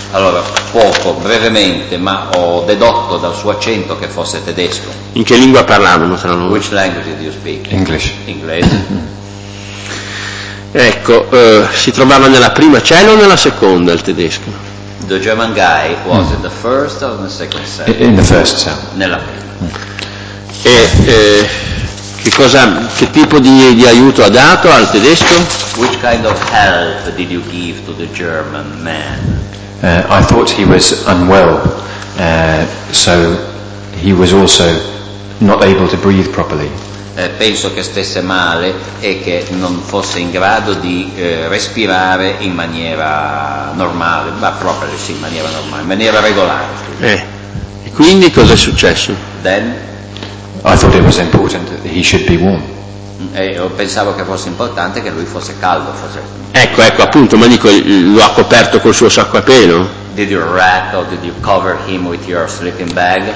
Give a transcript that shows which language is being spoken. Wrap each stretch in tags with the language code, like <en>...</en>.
<it>Allora, poco, brevemente, ma ho dedotto dal suo accento che fosse tedesco. In che lingua parlavano tra loro?</it> <en>Which language did you speak? English.</en> <it>Inglese. Ecco, si trovava nella prima cella o nella seconda il tedesco?</it> <en>The German guy was in the first or the second cell? In the first cell.</en> <it>Nella prima. Che tipo di aiuto ha dato al tedesco?</it> <en>Which kind of help did you give to the German man? I thought he was unwell, so he was also not able to breathe properly.</en> <it>Penso che stesse male e che non fosse in grado di respirare in maniera normale, ma proprio sì, in maniera normale, in maniera regolare. E quindi cosa è successo?</it> <en>Then I thought it was important that he should be warm.</en> <it>Pensavo che fosse importante che lui fosse caldo. Ecco, appunto, ma dico, lo ha coperto col suo sacco a pelo?</it> <en>Did you wrap or did you cover him with your sleeping bag?</en>